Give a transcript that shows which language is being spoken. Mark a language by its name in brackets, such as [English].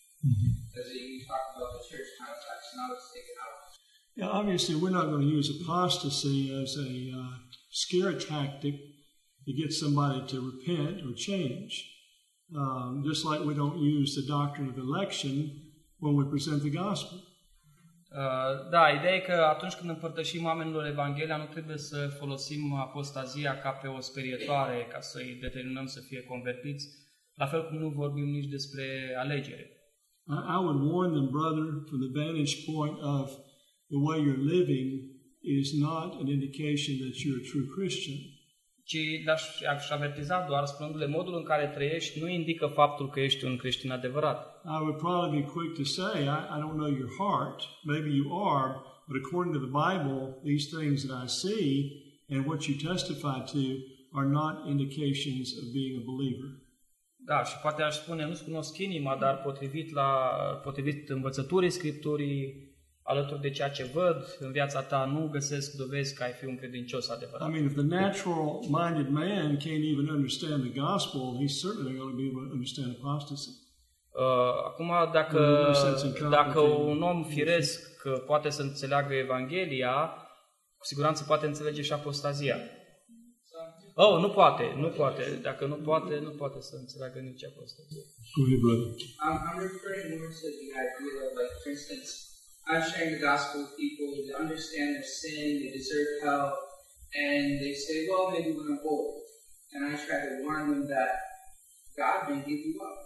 [English] Because you talked about the church context, now let's take it out. Yeah, obviously we're not going to use apostasy as a scare tactic to get somebody to repent or change. Just like we don't use the doctrine of election when we present the gospel. [Romanian] Da, ideea e că atunci când împărtășim oamenilor Evanghelia, nu trebuie să folosim apostazia ca pe o sperietoare, ca să îi determinăm să fie convertiți, la fel cum nu vorbim nici despre alegere. [English] I would warn them, brother, from the vantage point of the way you're living is not an indication that you're a true Christian. [Romanian] Ci l-aș avertiza doar spunându-le, modul în care trăiești nu indică faptul că ești un creștin adevărat. [English] I would probably be quick to say, I don't know your heart, maybe you are, but according to the Bible, these things that I see and what you testify to are not indications of being a believer. [Romanian] Da, și poate aș spune, nu-ți cunosc inima, dar potrivit învățăturii Scripturii, alături de ceea ce văd în viața ta, nu găsesc dovezi că ai fi un credincios adevărat. [English] I mean, if the natural-minded man can't even understand the gospel, he's certainly going to be able to understand apostasy. [Romanian] Acum, dacă un om firesc poate să înțeleagă Evanghelia, cu siguranță poate înțelege și apostazia. Oh, nu poate, nu poate. Dacă nu poate, nu poate să înțeleagă nici apostazia. [English] Go ahead, brother. I'm referring more to the idea of, like, for instance, I'm sharing the gospel with people who understand their sin, they deserve hell, and they say, well, maybe when I'm old. And I try to warn them that God may give you up.